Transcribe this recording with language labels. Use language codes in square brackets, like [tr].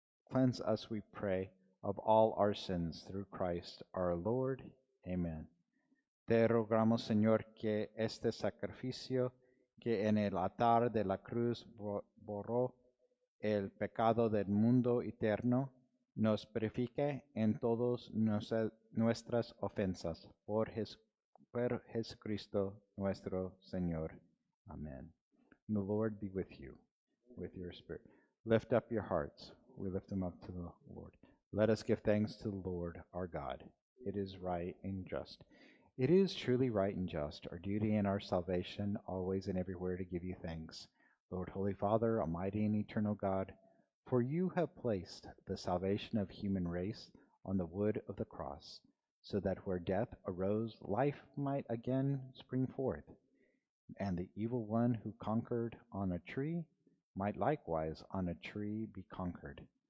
[en] Cleanse us, we pray, of all our sins through Christ our Lord. Amen. [es] Te rogamos, Señor, que este sacrificio que en el altar de la cruz borró el pecado del mundo eterno nos purifique en todos nuestras ofensas por Jesucristo nuestro Señor. [en] Amen. And the Lord be with you, with your spirit. Lift up your hearts. We lift them up to the Lord. Let us give thanks to the Lord our God. It is right and just. It is truly right and just, our duty and our salvation, always and everywhere to give you thanks, Lord, Holy Father, Almighty and Eternal God, for you have placed the salvation of human race on the wood of the cross, so that where death arose, life might again spring forth, and the evil one who conquered on a tree might likewise on a tree be conquered.